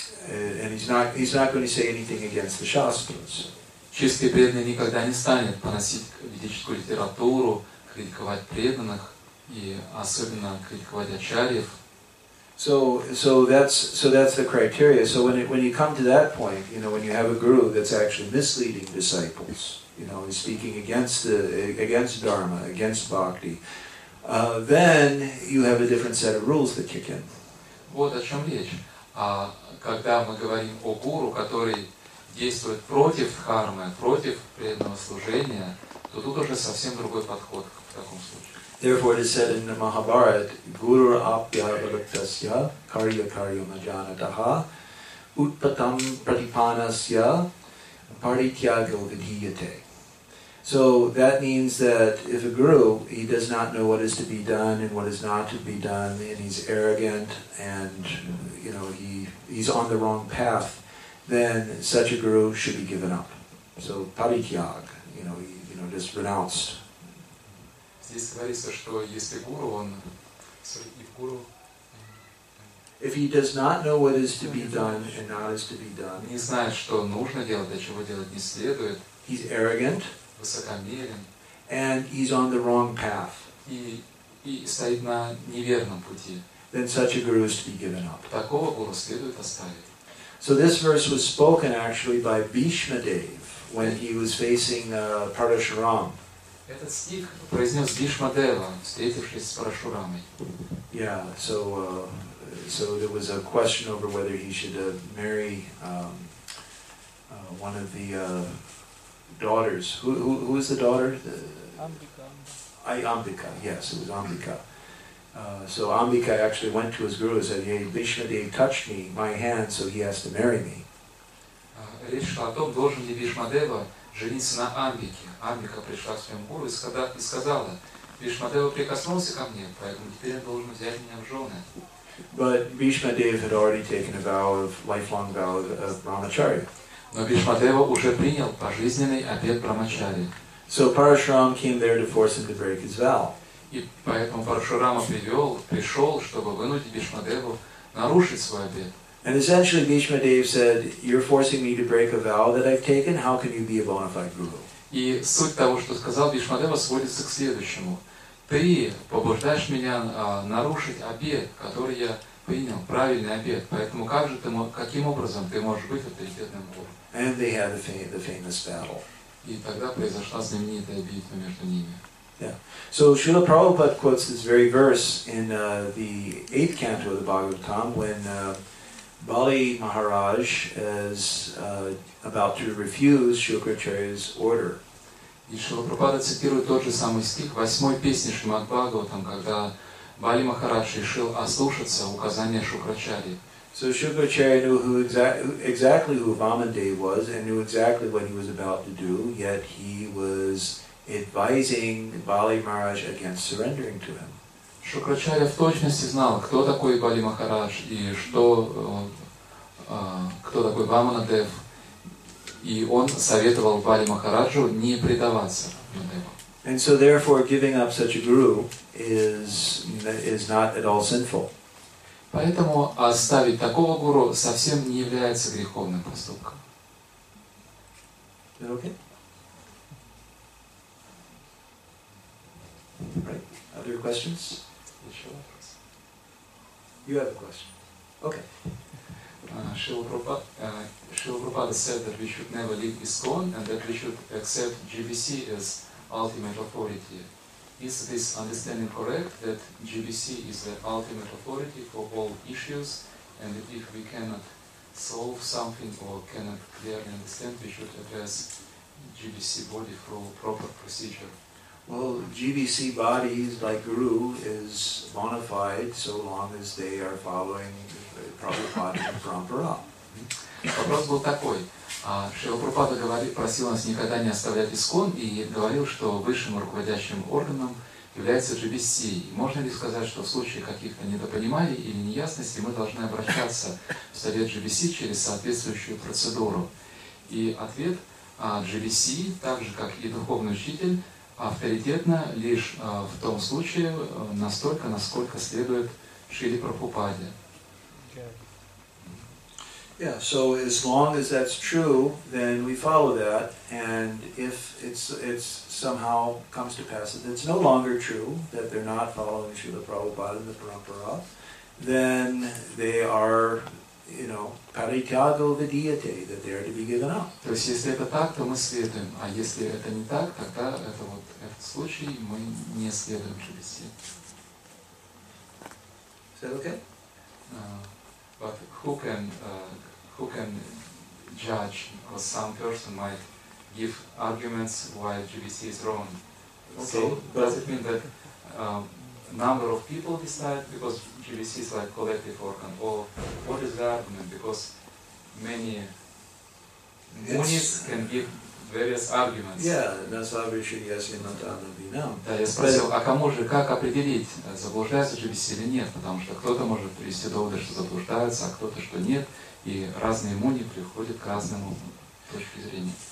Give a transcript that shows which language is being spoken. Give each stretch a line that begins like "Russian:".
English: And he's not going to say anything against the shastras.
Russian: Чистый преданный никогда не станет поносить ведическую литературу, критиковать преданных и особенно критиковать ачарьев.
English: So that's the criteria. So when you come to that point, you know, when you have a guru that's actually misleading disciples, you know, and speaking against dharma, against bhakti, then you have a different set of rules that kick in.
Russian: Вот о чем речь. Когда мы говорим о гуру, который действует против дхармы, против преданного служения, то тут уже совсем другой подход в таком случае.
English: Therefore, it is said in the Mahabharata,
Sanskrit: Guru apya avaktasya karya karya majanataha utpatam pratipanasya parityago vidhiyate.
English: So that means that if a guru, he does not know what is to be done and what is not to be done, and he's arrogant and, you know, he's on the wrong path, then such a guru should be given up. So parityag, he just renounced.
Russian: Здесь говорится, что если гуру, он...
English: Sorry,
Russian: гуру...
English: If he does not know what is to be done and not is to be done,
Russian: не знает, что нужно делать, а чего делать не следует,
English: he's arrogant,
Russian: высокомерен,
English: and he's on the wrong path,
Russian: и стоит на неверном пути,
English: then such a guru is to be given up.
Russian: Такого гуру следует оставить.
English: So this verse was spoken actually by Bhishma Dev when he was facing Parashuram.
Russian: Этот стих произнес Бишма Дева, встретившись с Парашурамой.
English: Yeah, so there was a question over whether he should marry one of the daughters. Who is the daughter? Ambika. Ambika. Yes, it was Ambika. So Ambika actually went to his guru and said, "Hey, Bishma Dev touched me, my hand, so he has to marry me."
Russian: Речь шла о том, должен ли Бишма Дева жениться на Амбике. Амбика пришла к своему гуру и сказала: Бишма Дева прикоснулся ко мне, поэтому теперь он должен взять меня в жены.
English: But Bishma Dev had already taken a vow of lifelong vow of brahmacharya.
Russian: Но Бишма Дева уже принял пожизненный обет брахмачари.
English: So Parashuram came there to force him to break his vow.
Russian: И поэтому Парашурама пришел, чтобы вынудить Бишма Деву нарушить свой обет.
English: And essentially, Bhishma Dev said, "You're forcing me to break a vow that I've taken. How can you be a bona fide guru?"
Russian: И суть того, что сказал Бхишма Дева, сводится к следующему: ты побуждаешь меня нарушить обет, который я принял, правильный обет. Поэтому как же ты, каким образом ты можешь быть авторитетным гуру?
English: And they had the famous battle.
Russian: И тогда произошла знаменитая битва между ними.
English: Yeah. So Srila Prabhupada quotes this very verse in the eighth canto of the Bhagavatam when Bali Maharaj is about to refuse Shukracharya's order.
Russian: И Шрила Прабхупада цитирует тот же самый стих восьмой песни Шримад Бхагаватам, когда Бали Махарадж решил ослушаться указания Шукрачари.
English: So Shukracharya knew who exactly who Vamadeva was and knew exactly what he was about to do, yet he was advising Bali Maharaj against surrendering to him.
Russian: Шукрачарья в точности знал, кто такой Бали Махарадж и кто такой Вамана Дев, И он советовал Вали Махараджу не предаваться.
English: And so therefore giving up such a guru is not at all sinful.
Russian: Поэтому оставить такого гуру совсем не является греховным поступком.
English: Is that okay? Right. Other questions? You have a question. Okay. Шрила Прабхупада said that we should never leave ISKCON and that we should accept GBC as ultimate authority. Is this understanding correct, that GBC is the ultimate authority for all issues, and that if we cannot solve something or cannot clearly understand, we should address GBC body through proper procedure? Well, GBC bodies like Guru is bona fide so long as they are following Prabhupada and Parampara.
Russian: Вопрос был такой. Шрила Прабхупада просил нас никогда не оставлять ИСКОН и говорил, что высшим руководящим органом является GBC. Можно ли сказать, что в случае каких-то недопониманий или неясностей мы должны обращаться в совет GBC через соответствующую процедуру? И ответ: GBC, так же как и духовный учитель, авторитетно лишь в том случае, настолько, насколько следует Шриле Прабхупаде.
English: Yeah, so as long as that's true, then we follow that, and if it's somehow comes to pass that it's no longer true, that they're not following Srila Prabhupada and the Parampara, then they are, you know,
Sanskrit: paritago vidyate,
English: that they are to be given up.
Russian: То есть, если это так, то мы следуем, а если это не так, тогда это вот этот случай, мы не следуем через все.
English: Is that okay? But who can judge? Because some person might give arguments why GBC is wrong. Okay, so does it mean that number of people decide, because GBC is like collective organ? Or what is the argument? Because many munis can give various arguments. Yeah, that's obviously yes, you know, that would be now.
Russian: Да, я спросил, а кому же, как определить, заблуждается GBC или нет? Потому что кто-то может привести доводы, что заблуждается, а кто-то, что нет. И разные муни приходят к разному точке зрения.